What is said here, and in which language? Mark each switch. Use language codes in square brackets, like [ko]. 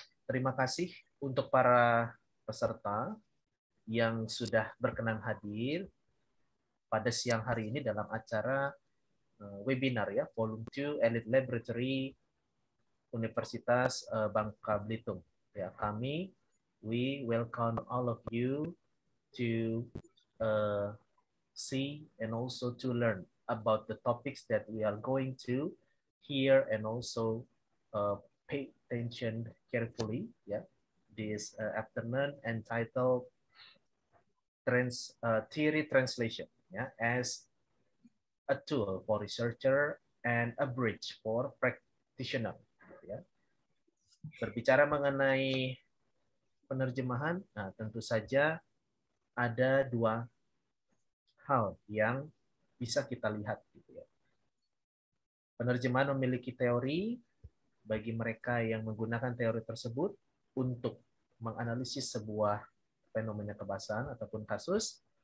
[id] Terima kasih untuk para peserta yang sudah berkenan hadir pada siang hari ini dalam acara webinar ya, Volume 2 Elite Laboratory Universitas Bangka Belitung. [en] Ya, kami, we welcome all of you to see and also to learn about the topics that we are going to hear and also pay attention carefully. Yeah, this afternoon entitled Theory Translation, yeah, as a tool for researcher and a bridge for practitioner. Yeah. [id] Berbicara mengenai penerjemahan, nah tentu saja ada dua hal yang bisa kita lihat. Gitu ya. Penerjemahan memiliki teori bagi mereka yang menggunakan teori tersebut untuk menganalisis sebuah fenomena kebahasaan ataupun kasus.